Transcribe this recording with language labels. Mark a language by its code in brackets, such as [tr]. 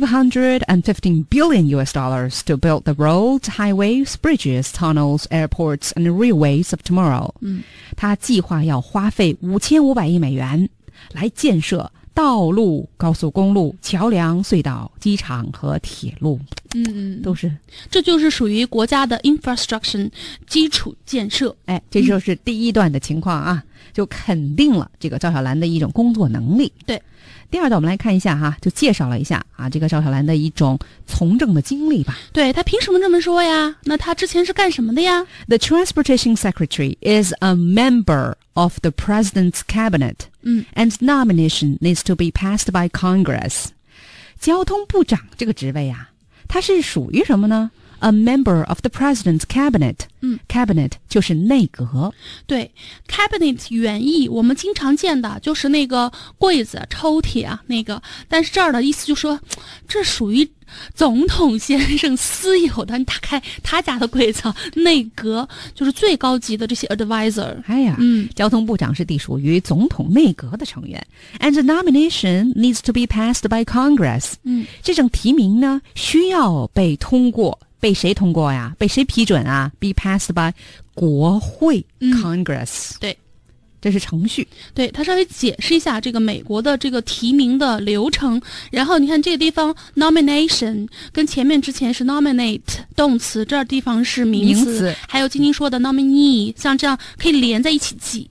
[en] $515 billion to build the roads, highways, bridges, tunnels, airports, and railways of tomorrow. 嗯， [zh] 他计划要花费$5,500亿来建设道路、高速公路、桥梁、隧道、机场和铁路。嗯，都是。这就是属于国家的 infrastructure 基础建设。哎，这就是第一段的情况啊，就肯定了这个赵小兰的一种工作能力。对。第二段我们来看一下哈，就介绍了一下啊，这个赵小兰的一种从政的经历吧。对，他凭什么这么说呀？那他之前是干什么的呀？ [en] The Transportation Secretary is a member of the President's Cabinet. And nomination needs to be passed by Congress. [zh] 交通部长这个职位啊，他是属于什么呢？ [en] A member of the President's Cabinet. Cabinet [zh] 就是内阁。对， Cabinet 原意我们经常见的就是那个柜子抽屉啊那个，但是这儿的意思就是说这属于总统先生私有的，你打开他家的柜子，内阁就是最高级的这些 advisor。哎呀，嗯，交通部长是隶属于总统内阁的成员。 [en] And the nomination needs to be passed by Congress。嗯， [zh] 这种提名呢需要被通过，被谁通过呀？被谁批准啊？ [en] Be passed by [zh] 国会、Congress。对，这是程序。对，他稍微解释一下这个美国的这个提名的流程。然后你看这个地方 nomination 跟前面之前是 nominate 动词，这地方是名词，还有今天说的 nominee， 像这样可以连在一起记。